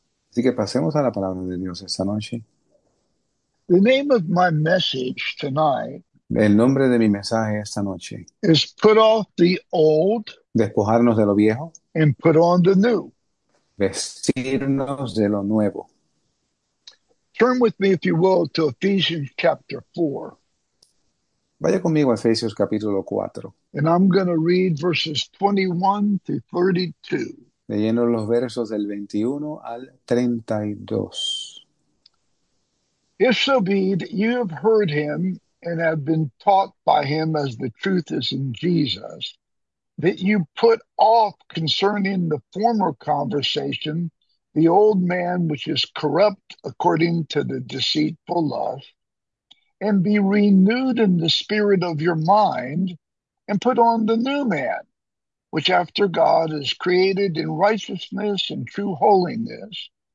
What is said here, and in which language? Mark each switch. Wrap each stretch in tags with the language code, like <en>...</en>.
<es>Así que pasemos a la palabra de Dios esta noche.</es> <en>The name of my message tonight</en> <es>El nombre de mi mensaje esta noche.</es> <en>is Put Off the Old</en> <es>Despojarnos de lo viejo</es> <en>and Put On the New.</en> <es>vestirnos de lo nuevo.</es> <en>Turn with me, if you will, to Ephesians chapter 4.</en> <es>Vaya conmigo a Efesios capítulo 4.</es> <en>And I'm going to read verses 21 to 32.</en> <es>Leyendo los versos del 21 al 32.</es> <en>If so be that you have heard him and have been taught by him as the truth is in Jesus, that you put off concerning the former conversation the old man which is corrupt according to the deceitful lust, and be renewed in the spirit of your mind, and put on the new man, which after God is created in righteousness and true holiness.</en>